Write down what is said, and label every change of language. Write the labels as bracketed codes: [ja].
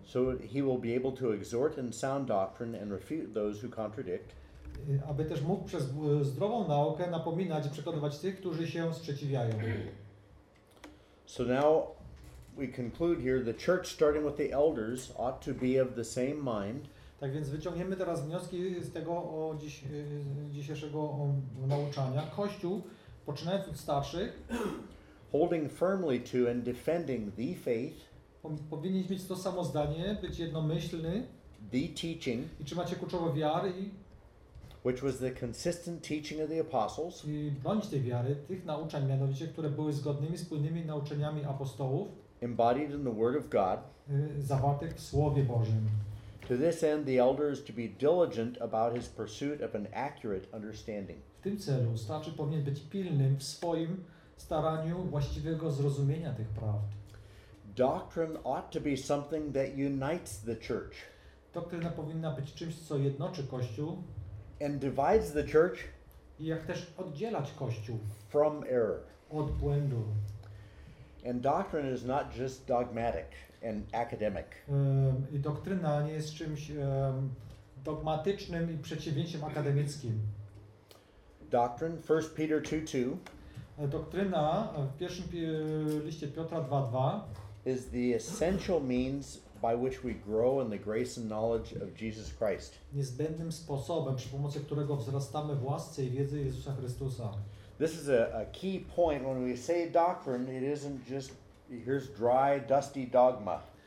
[en] so he will be able to exhort in sound doctrine and refute those who contradict, [pl] aby też mógł przez zdrową naukę napominać i przekonywać tych, którzy się sprzeciwiają. [en] So now we conclude here, the church starting with the elders ought to be of the same mind. [pl] Tak więc wyciągniemy teraz wnioski z tego dzisiejszego nauczania. Kościół, poczynając od starszych, [en] holding firmly to and defending the faith, [pl] powinien mieć to samo zdanie, być jednomyślny, [en] the teaching, [pl] i trzymać się kluczowo wiary, [en] which was the consistent teaching of the apostles, [pl] i bądź tej wiary, tych nauczeń, mianowicie, które były zgodnymi, spójnymi nauczeniami apostołów, [en] embodied in the word of God, [pl] zawartych w Słowie Bożym. [en] To this end, the elder is to be diligent about his pursuit of an accurate understanding. [pl] W tym celu starszy powinien być pilnym w swoim staraniu właściwego zrozumienia tych prawd. [en] Doctrine ought to be something that unites the church. [pl] Doktryna powinna być czymś, co jednoczy Kościół. [en] And divides the church. [pl] I jak też oddzielać Kościół. [en] From error. [pl] Od błędu. [en] And doctrine is not just dogmatic and academic. [pl] I doktryna nie jest czymś dogmatycznym i przeciwieństwem akademickim. [en] Doctrine, 1 Peter 2:2. [pl] Doktryna w pierwszym liście Piotra 2:2 [en] is the essential means by which we grow in the grace and knowledge of Jesus Christ. [pl] Niezbędnym sposobem, przy pomocy którego wzrastamy w łasce i wiedzy Jezusa Chrystusa. [en] This is a key point. When we say doctrine, it isn't just here's dry, dusty dogma.